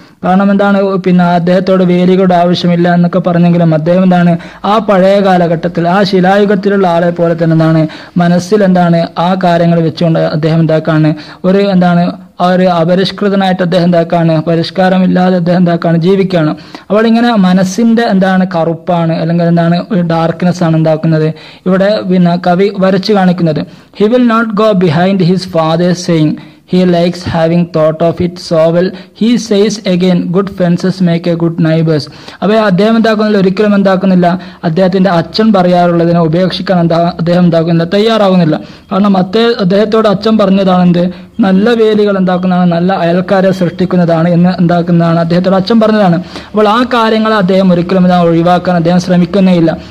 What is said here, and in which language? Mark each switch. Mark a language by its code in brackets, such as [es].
[ml] കാരണം എന്താണ് പിന്നെ അദ്ദേഹത്തോട് വേലികളുടെ ആവശ്യമില്ല എന്നൊക്കെ പറഞ്ഞെങ്കിലും അദ്ദേഹം എന്താണ് ആ പഴയ കാലഘട്ടത്തിൽ ആ ശിലായുഗത്തിലുള്ള ആളെ പോലെ തന്നെ എന്താണ് മനസ്സിൽ എന്താണ് ആ കാര്യങ്ങൾ വെച്ചുകൊണ്ട് അദ്ദേഹം എന്താക്കാണ് ഒരു എന്താണ് ഒരു അപരിഷ്കൃതനായിട്ട് അദ്ദേഹം എന്താക്കാണ് പരിഷ്കാരമില്ലാതെ അദ്ദേഹം എന്താക്കാണ് ജീവിക്കുകയാണ്. അപ്പോൾ ഇങ്ങനെ മനസ്സിൻ്റെ എന്താണ് കറുപ്പാണ് അല്ലെങ്കിൽ എന്താണ് ഒരു ഡാർക്ക്നെസ് ആണ് എന്താക്കുന്നത് ഇവിടെ പിന്നെ കവി വരച്ചു കാണിക്കുന്നത്. [en] He will not go behind his father's saying He likes having thought of it so well. He says again, good fences make a good neighbors. [ml] അപ്പോൾ അദ്ദേഹം എന്താക്കുന്നില്ല ഒരിക്കലും എന്താക്കുന്നില്ല അദ്ദേഹത്തിൻ്റെ അച്ഛൻ പറയാറുള്ളതിനെ ഉപേക്ഷിക്കാൻ എന്താ അദ്ദേഹം എന്താക്കുന്നില്ല തയ്യാറാകുന്നില്ല. കാരണം അദ്ദേഹത്തോട് അച്ഛൻ പറഞ്ഞതാണെന്ത് നല്ല വേലികൾ എന്താക്കുന്നതാണ് നല്ല അയൽക്കാരെ സൃഷ്ടിക്കുന്നതാണ് എന്ന് എന്താക്കുന്നതാണ് അദ്ദേഹത്തോട് അച്ഛൻ പറഞ്ഞതാണ്. അപ്പോൾ ആ കാര്യങ്ങൾ അദ്ദേഹം ഒരിക്കലും എന്താ ഒഴിവാക്കാൻ അദ്ദേഹം ശ്രമിക്കുന്നേ ഇല്ല.